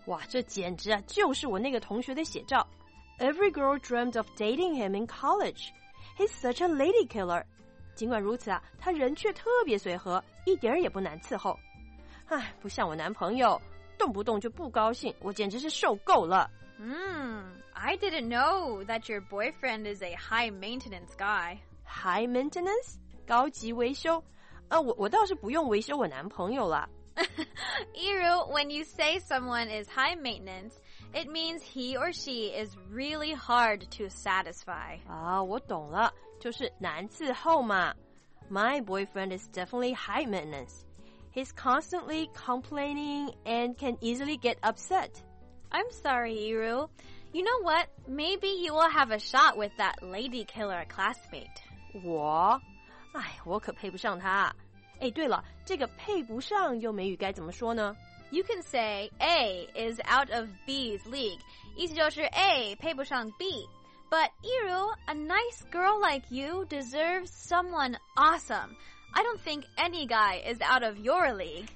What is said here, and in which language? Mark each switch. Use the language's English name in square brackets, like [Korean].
[Chinese] 哇，这简直啊，就是我那个同学的写照。 [English] Every girl dreamed of dating him in college. he's such a lady killer. [Chinese] 尽管如此啊，他人却特别随和，一点儿也不难伺候。唉，不像我男朋友，动不动就不高兴，我简直是受够了。 [English] I didn't know that your boyfriend is a high maintenance guy. [Chinese] High maintenance? 高级维修？我倒是不用维修我男朋友了。 [English] Iru, when you say someone is high maintenance, it means he or she is really hard to satisfy. [Chinese] 啊，我懂了，就是难伺候嘛。 [English] My boyfriend is definitely high maintenance. He's constantly complaining and can easily get upset. I'm sorry, Iru. You know what? Maybe you will have a shot with that lady killer classmate. [Chinese] 我？哎，我可配不上他。哎，对了，这个配不上用美语该怎么说呢？ [English] You can say A is out of B's league. [Chinese] 意思就是 A 配不上 B. [English] But Iru, a nice girl like you deserves someone awesome. I don't think any guy is out of your league.